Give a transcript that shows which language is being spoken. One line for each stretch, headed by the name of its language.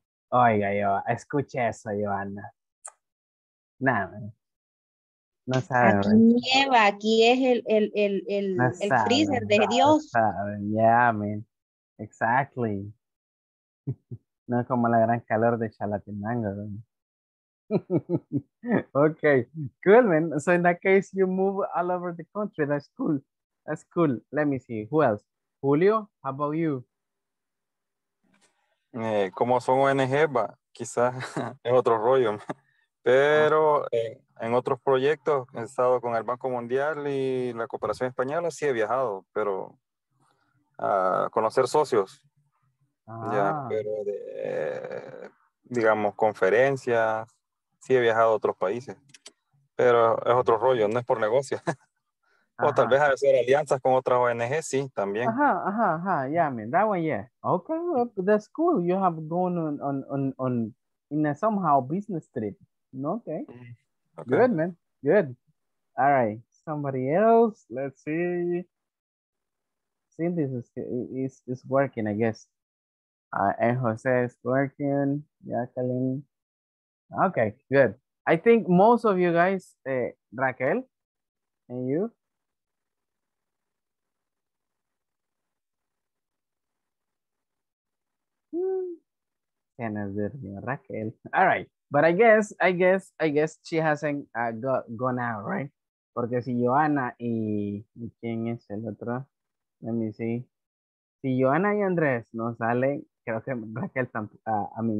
Spanish: Oiga, yo escuché eso, Joana. Nada, man. No sabe. Aquí nieva, aquí es el freezer de Dios. No sabe.
English: Yeah, man. Exactly.
Spanish: No es como la gran calor de Chalatenango.
English: Okay, cool, man. So in that case, you move all over the country. That's cool. That's cool. Let me see. Who else? Julio, how about you?
Spanish: Como son ONG, va, quizás es otro rollo, pero en otros proyectos he estado con el Banco Mundial y la Cooperación Española, sí he viajado, pero a conocer socios, ya, pero de, digamos, conferencias, sí he viajado a otros países, pero es otro rollo, no es por negocio. O tal vez hacer alianzas con otras ONG, sí, también.
English: Ajá, ajá, ajá, yeah, I mean, that one, yeah. Okay, that's cool. You have gone on in a somehow business trip. Okay. Okay. Good, man. Good. All right. Somebody else. Let's see. Cindy is working, I guess. And Jose is working. Jacqueline. Okay, good. I think most of you guys, Raquel, and you, Raquel. All right, but I guess she hasn't gone out, right?
Spanish: Porque si Joana y quién es el otro,
English: let me see.
Spanish: Si Joana y Andrés no salen, creo que Raquel tampoco.